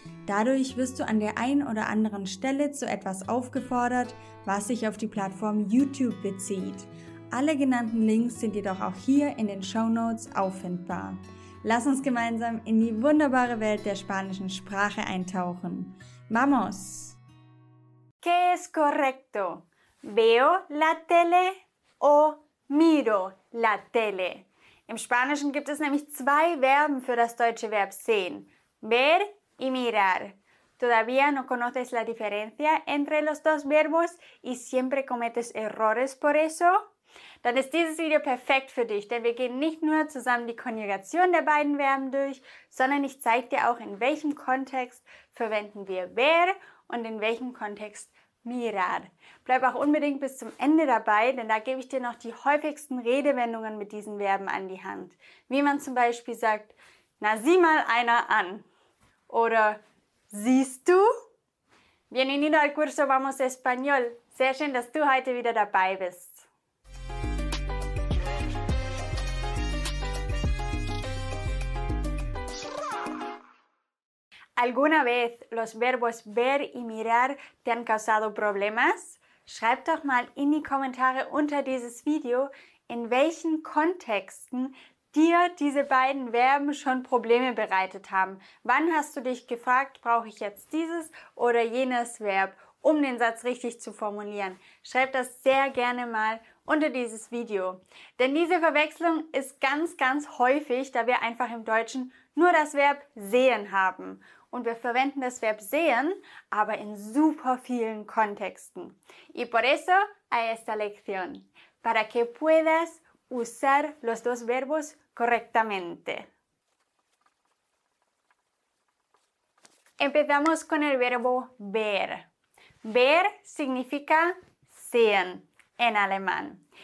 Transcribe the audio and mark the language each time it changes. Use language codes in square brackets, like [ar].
[de] Dadurch wirst du an der einen oder anderen Stelle zu etwas aufgefordert, was sich auf die Plattform YouTube bezieht. Alle genannten Links sind jedoch auch hier in den Shownotes auffindbar. Lass uns gemeinsam in die wunderbare Welt der spanischen Sprache eintauchen. [es] ¡Vamos! ¿Qué es correcto? ¿Veo la tele o miro la tele? [de] Im Spanischen gibt es nämlich zwei Verben für das deutsche Verb sehen. [es] Ver y mirar. Todavía no conoces la diferencia entre los dos verbos y siempre cometes errores por eso. [de] Dann ist dieses Video perfekt für dich, denn wir gehen nicht nur zusammen die Konjugation der beiden Verben durch, sondern ich zeige dir auch, in welchem Kontext verwenden wir ver und in welchem Kontext mirar. Bleib auch unbedingt bis zum Ende dabei, denn da gebe ich dir noch die häufigsten Redewendungen mit diesen Verben an die Hand. Wie man zum Beispiel sagt, na sieh mal einer an. Oder siehst du? [es] Bienvenido al curso Vamos Español. [de] Sehr schön, dass du heute wieder dabei bist. [es] ¿Alguna vez los verbos ver y mirar te han causado problemas? [de] Schreib doch mal in die Kommentare unter dieses Video, in welchen Kontexten dir diese beiden Verben schon Probleme bereitet haben. Wann hast du dich gefragt, brauche ich jetzt dieses oder jenes Verb, um den Satz richtig zu formulieren? Schreib das sehr gerne mal unter dieses Video. Denn diese Verwechslung ist ganz, ganz häufig, da wir einfach im Deutschen nur das Verb sehen haben. Und wir verwenden das Verb sehen, aber in super vielen Kontexten. [es] Y por eso a esta lección. Para que puedas usar los dos verbos correctamente. Empezamos con el verbo ver. Ver significa sehen en alemán.